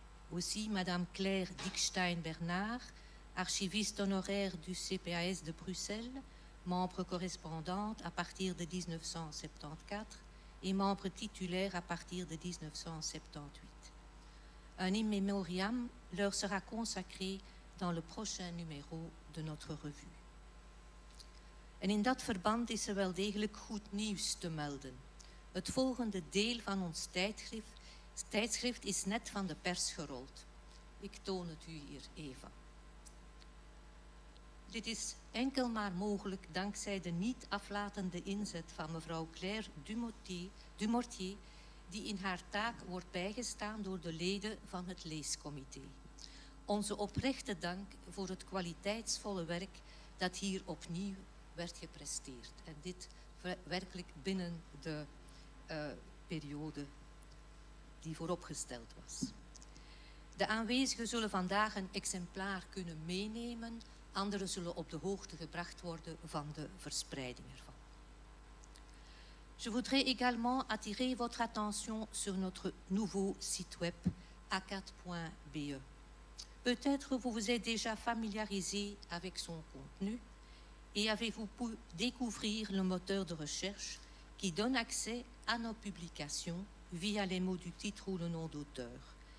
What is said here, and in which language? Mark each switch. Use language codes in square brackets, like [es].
[fr] Aussi, Mme Claire Dickstein-Bernard, archiviste honoraire du CPAS de Bruxelles, membre correspondante à partir de 1974 et membre titulaire à partir de 1978. Un in memoriam leur sera consacré dans le prochain numéro de notre revue. [nl] En in dat verband is er wel degelijk goed nieuws te melden. Het volgende deel van ons tijdschrift is net van de pers gerold. Ik toon het u hier even. Dit is enkel maar mogelijk dankzij de niet aflatende inzet van mevrouw Claire Dumortier, die in haar taak wordt bijgestaan door de leden van het leescomité. Onze oprechte dank voor het kwaliteitsvolle werk dat hier opnieuw werd gepresteerd. En dit werkelijk binnen de periode die vooropgesteld was. De aanwezigen zullen vandaag een exemplaar kunnen meenemen. Anderen zullen op de hoogte gebracht worden van de verspreiding ervan. [fr] Je voudrais également attirer votre attention sur notre nouveau site web acat.be. Peut-être vous vous êtes déjà familiarisé avec son contenu et avez-vous pu découvrir le moteur de recherche qui donne accès à nos publications via les mots du titre ou le nom d'auteur.